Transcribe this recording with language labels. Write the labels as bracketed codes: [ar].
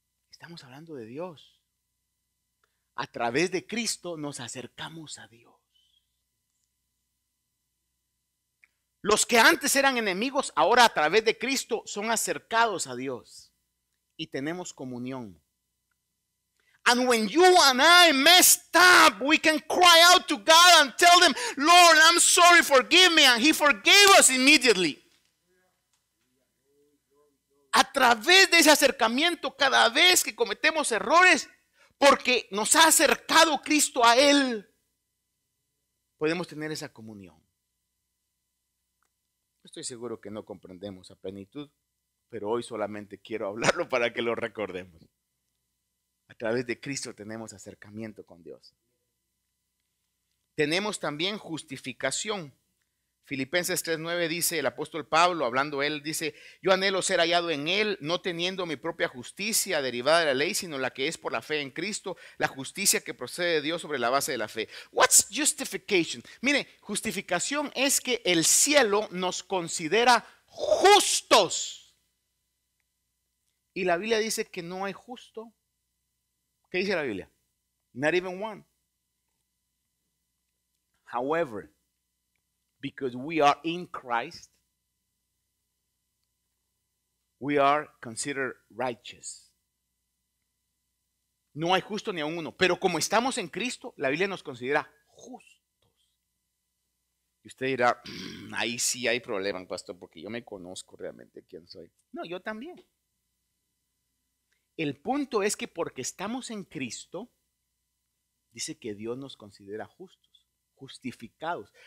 [es] Estamos hablando de Dios. A través de Cristo nos acercamos a Dios. Los que antes eran enemigos, ahora a través de Cristo son acercados a Dios y tenemos comunión. [en] And when you and I messed up, we can cry out to God and tell them, Lord, I'm sorry, forgive me, and He forgave us immediately. [es] A través de ese acercamiento, cada vez que cometemos errores, porque nos ha acercado Cristo a Él, podemos tener esa comunión. Estoy seguro que no comprendemos a plenitud, pero hoy solamente quiero hablarlo para que lo recordemos. A través de Cristo tenemos acercamiento con Dios. Tenemos también justificación. Filipenses 3:9 dice el apóstol Pablo, hablando él, dice, yo anhelo ser hallado en él, no teniendo mi propia justicia derivada de la ley, sino la que es por la fe en Cristo, la justicia que procede de Dios sobre la base de la fe. [en] What's justification? [es] Mire, justificación es que el cielo nos considera justos. Y la Biblia dice que no hay justo. ¿Qué dice la Biblia? [en] Not even one. However, because we are in Christ, we are considered righteous. [es] No hay justo ni a uno. Pero como estamos en Cristo, la Biblia nos considera justos. Y usted dirá, ahí sí hay problema, pastor, porque yo me conozco realmente quién soy. No, yo también. El punto es que porque estamos en Cristo, dice que Dios nos considera justos, justificados.